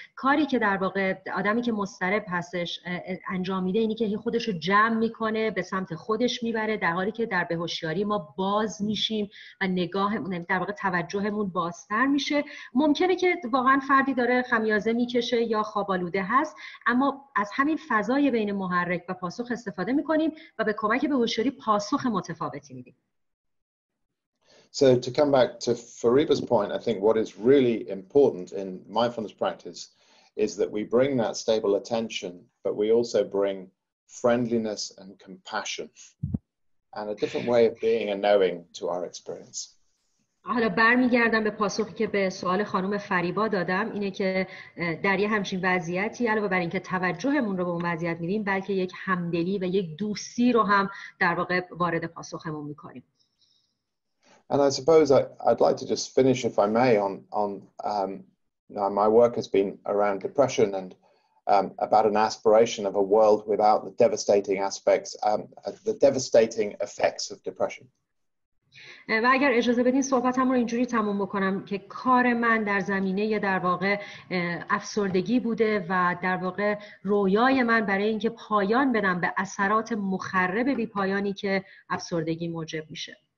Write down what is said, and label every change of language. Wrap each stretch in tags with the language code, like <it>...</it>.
<fa>کاری که در واقع آدمی که مضطرب هستش انجام میده اینی که خودش رو جمع میکنه، به سمت خودش میبره، در حالی که در بهوشیاری ما باز میشیم و نگاهمون در واقع توجهمون بازتر میشه. ممکنه که واقعا فردی داره خمیازه میکشه یا خوابالوده هست، اما از همین فضای بین محرک و پاسخ استفاده میکنیم و به کمک به هوشیاری پاسخ متفاوتی میدیم.</fa> <en>So to come back to Fariba's point, I think what is really important in mindfulness practice is that we bring that stable attention, but we also bring friendliness and compassion and a different way of being and knowing to our experience.</en> <fa>حالا برمیگردم به پاسخی که به سوال خانم فریبا دادم، اینه که در یه همچین وضعیتی علاوه بر اینکه توجهمون رو به اون وضعیت میدیم، بلکه یک همدلی و یک دوستی رو هم در واقع وارد پاسخمون میکنیم.</fa> <en>And I suppose I'd like to just finish if I may on my work has been around depression and about an aspiration of a world without the devastating aspects the devastating effects of depression.</en> <fa>و اگر اجازه بدین صحبتم رو اینجوری تموم بکنم که کار من در زمینه یه در واقع افسردگی بوده و در واقع رویای من برای اینکه پایان بدم به اثرات مخرب بی پایانی که افسردگی موجب میشه.</fa>